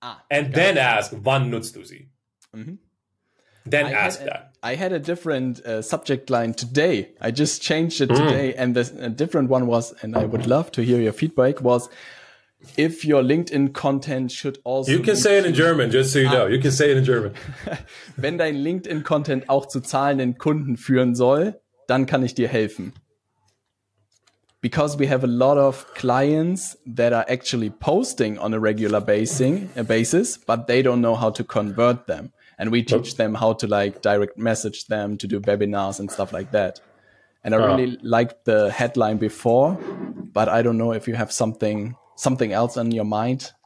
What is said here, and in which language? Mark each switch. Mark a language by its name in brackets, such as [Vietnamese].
[English] And then ask, [German] wann nutzt du sie? [English] Mm-hmm. Then I ask that. I had a different subject line today. I just changed it today. And a different one was, and I would love to hear your feedback, was if your LinkedIn content should also... You can say it in German, just so you know. You can say it in German. [German] Wenn dein LinkedIn content auch zu zahlenden Kunden führen soll, dann kann ich dir helfen. [English] Because we have a lot of clients that are actually posting on a regular basis, but they don't know how to convert them. And we teach them how to like direct message them, to do webinars and stuff like that. And I really liked the headline before, but I don't know if you have something else on your mind.